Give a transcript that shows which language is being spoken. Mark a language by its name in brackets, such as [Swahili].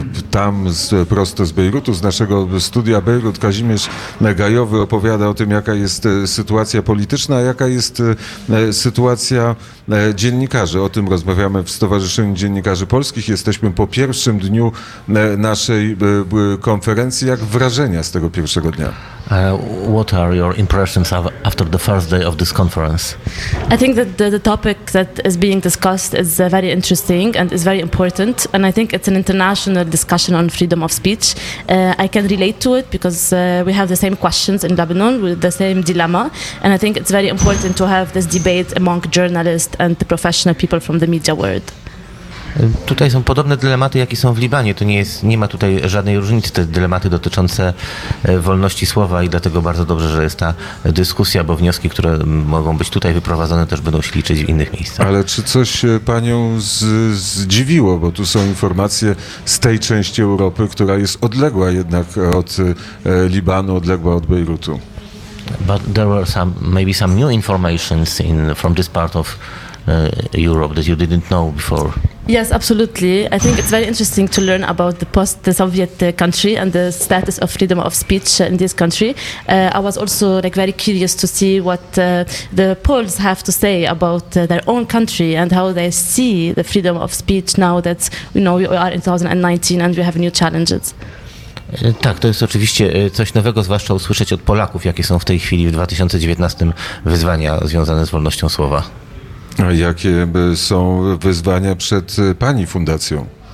[Polish] Tam prosto z Bejrutu, z naszego studia Bejrut, Kazimierz Gajowy opowiada o tym, jaka jest sytuacja polityczna, jaka jest sytuacja dziennikarzy. O tym rozmawiamy w Stowarzyszeniu Dziennikarzy Polskich. Jesteśmy po pierwszym dniu naszej konferencji. Jak wrażenia z tego pierwszego dnia? [English] What are your impressions after the first day of this conference? I think that the topic that is being discussed is very interesting and is very important, and I think it's an international discussion on freedom of speech. I can relate to it because we have the same questions in Lebanon with the same dilemma, and I think it's very important to have this debate among journalists and the professional people from the media world. [Polish] Tutaj są podobne dylematy, jakie są w Libanie. To nie ma tutaj żadnej różnicy, te dylematy dotyczące wolności słowa i dlatego bardzo dobrze, że jest ta dyskusja, bo wnioski, które mogą być tutaj wyprowadzone, też będą się liczyć w innych miejscach. Ale czy coś panią zdziwiło, bo tu są informacje z tej części Europy, która jest odległa jednak od Libanu, odległa od Bejrutu? [English] But there were maybe some new informations from this part of Europe that you didn't know before. Yes, absolutely. I think it's very interesting to learn about the post-Soviet country and the status of freedom of speech in this country. I was also very curious to see what the Poles have to say about their own country and how they see the freedom of speech now that we are in 2019 and we have new challenges. [Polish] Tak, to jest oczywiście coś nowego, zwłaszcza usłyszeć od Polaków, jakie są w tej chwili w 2019 wyzwania związane z wolnością słowa. A jakie są wyzwania przed pani fundacją?